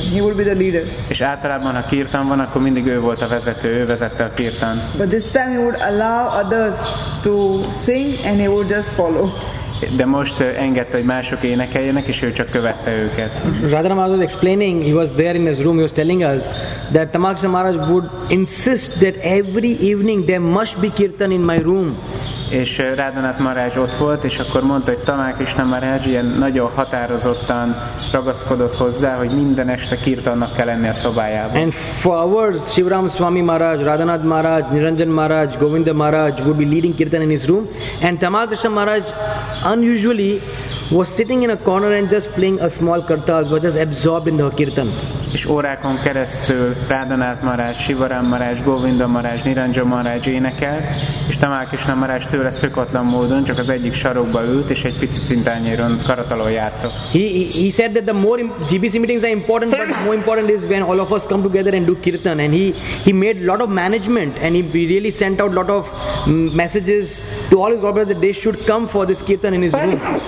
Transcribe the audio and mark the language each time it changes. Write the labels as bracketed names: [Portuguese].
[English] He would be the leader. [Hungarian] És általában ha kirtan van, akkor mindig ő volt a vezető, ő vezette a kirtan. [English] But this time he would allow others to sing and he would just follow. [Hungarian] De most engedte, hogy mások énekeljenek, és ő csak követte őket. [English] Radha Maharaj was explaining, he was there in his room, he was telling us that Tamal Krishna Maharaj would insist that every evening there must be kirtan in my room. [Hungarian] És Radhanath Maharaj ott volt, és akkor mondta, hogy Tamal Krishna Maharaj ilyen nagyon határozottan ragaszkodott hozzá, hogy minden este kirtannak kell lenni a szobájában. [English] And for hours, Shivaram Swami Maharaj, Radhanath Maharaj, Niranjan Maharaj, Govinda Maharaj would be leading kirtan in his room, and Tamal Krishna Maharaj unusually was sitting in a corner and just playing a small kartas, was just absorbed in the kirtan. [Hungarian] És órákon keresztül Radhanath Maharaj, Shivaram Maharaj, Govinda Maharaj, Niranjan Maharaj énekelt, és Tamal Krishna Maharaj tőle szökatlan módon csak az egyik sarokba ült, és egy pici cintányéron karatalon játszott. [English] He said that the more GBC meetings are important, but more important is when all of us come together and do kirtan. And he made lot of management, and he really sent out lot of messages to all his brothers that they should come for this kirtan in his room.